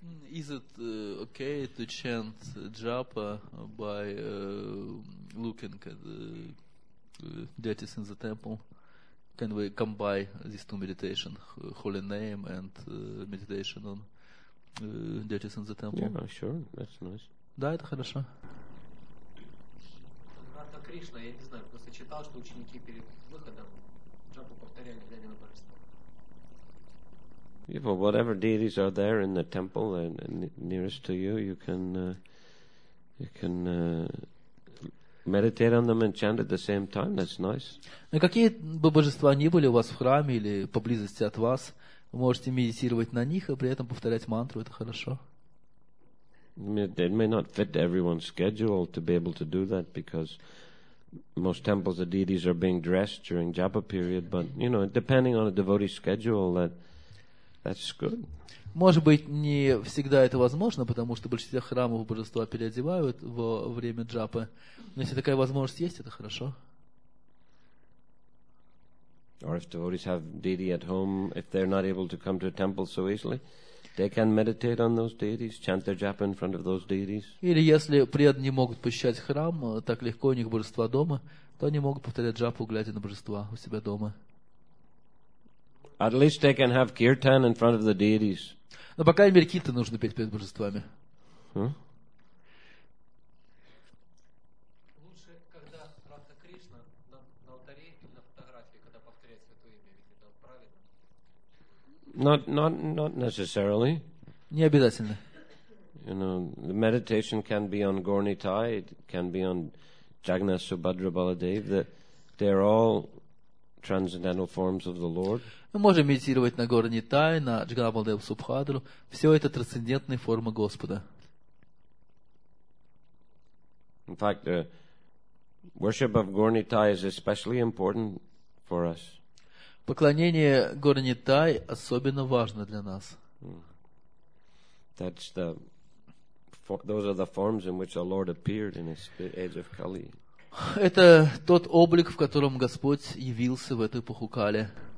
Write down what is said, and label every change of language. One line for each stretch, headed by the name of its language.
English: Is it okay to chant japa by looking at the deities in the temple? Can we combine these two meditation, holy name and meditation on deities in the temple? Yeah, sure, that's nice.
Russian: Да, это хорошо. Кришна, я не знаю, просто читал, что ученики перед выходом джапу повторяли, глядя на божество.
English: Yeah, well, whatever deities are there in the temple and nearest to you, you can meditate on them and chant at the same time. That's nice.
Russian: Но какие бы божества ни были у вас в храме или поблизости от вас, вы можете медитировать на них и при этом повторять мантру. Это хорошо.
English: It may not fit everyone's schedule to be able to do that because most temples the deities are being dressed during japa period. But you know, depending on a devotee's schedule, That's good.
Russian: Может быть, не всегда это возможно, потому что большинство храмов божества переодевают во время джапы. Но если такая возможность есть, это хорошо.
English: Or if devotees have deity at home, if they're not able to come to a temple so easily, they can meditate on those deities, chant their japa in front of those deities.
Russian: Или если преданные не могут посещать храм так легко, у них божества дома, то они могут повторять джапу, глядя на божества у себя дома.
English: At least they can have kirtan in front of the deities.
Russian: Но по крайней мере кирта нужно петь перед божествами. Лучше, когда Радха Кришна на алтаре или на фотографии, когда повторяет святое имя, ведь это правильно.
English: Not necessarily.
Russian: Не обязательно.
English: You know, the meditation can be on Gornitai, it can be on Jagannath Subhadra Baladev, that they're all transcendental forms of the Lord.
Russian: Мы можем медитировать на Горни Тай, на Джаганнатха Баладева Субхадру. Все это трансцендентные формы Господа.
English: In fact, worship of Горни Тай is especially important for us.
Russian: Поклонение Горни Тай особенно важно для нас.
English: That's the those are the forms in which the Lord appeared in his age of Kali.
Russian: Это тот облик, в котором Господь явился в эту эпоху Кали.